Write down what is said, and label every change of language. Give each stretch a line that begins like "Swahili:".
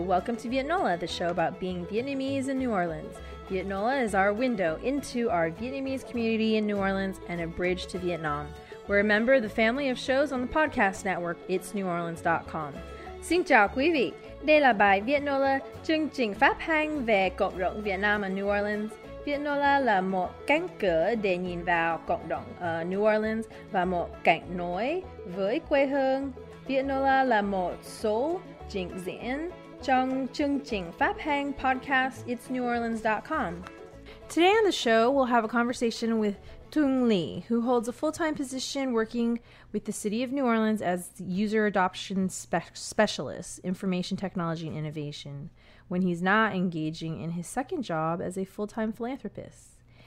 English: Welcome to VietNOLA, the show about being Vietnamese in New Orleans. VietNOLA is our window into our Vietnamese community in New Orleans and a bridge to Vietnam. We're a member of the family of shows on the podcast network, itsneworleans.com.
Vietnamese: Xin chào quý vị. Đây là bài VietNOLA chương trình phát hành về cộng đồng Việt Nam ở New Orleans. VietNOLA là một cánh cửa để nhìn vào cộng đồng ở New Orleans và một cánh nối với quê hương. VietNOLA là một số trình diễn trong chương trình phát hành podcast itsneworleans.com.
English: Today on the show, we'll have a conversation with Tung Lee, who holds a full-time position working with the City of New Orleans as User Adoption Specialist, Information Technology and Innovation, when he's not engaging in his second job as a full-time philanthropist.